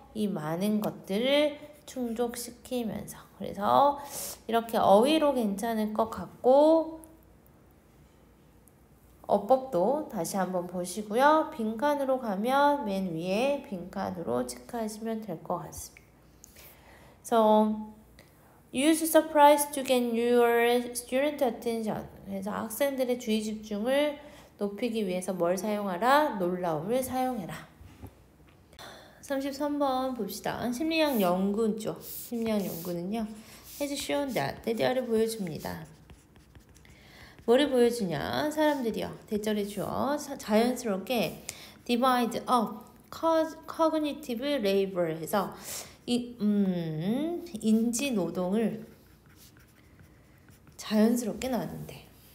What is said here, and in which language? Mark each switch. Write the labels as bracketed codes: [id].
[ko] 이 많은 것들을 충족시키면서. 그래서 이렇게 어휘로 괜찮을 것 같고, 어법도 다시 한번 보시고요. 빈칸으로 가면 맨 위에 빈칸으로 체크하시면 될것 같습니다. [en] So, use surprise to get your student attention. [ko] 그래서 학생들의 주의 집중을 높이기 위해서 뭘 사용하라? 놀라움을 사용해라. 33번 봅시다. 심리학 연구죠. 심리학 연구는요, [en] has shown that [ko] 대자를 보여줍니다. 뭐를 보여주냐? 사람들이요. 대자를 주어 자연스럽게 [en] divide up cognitive labor [ko] 해서 인지 노동을 자연스럽게 나는데.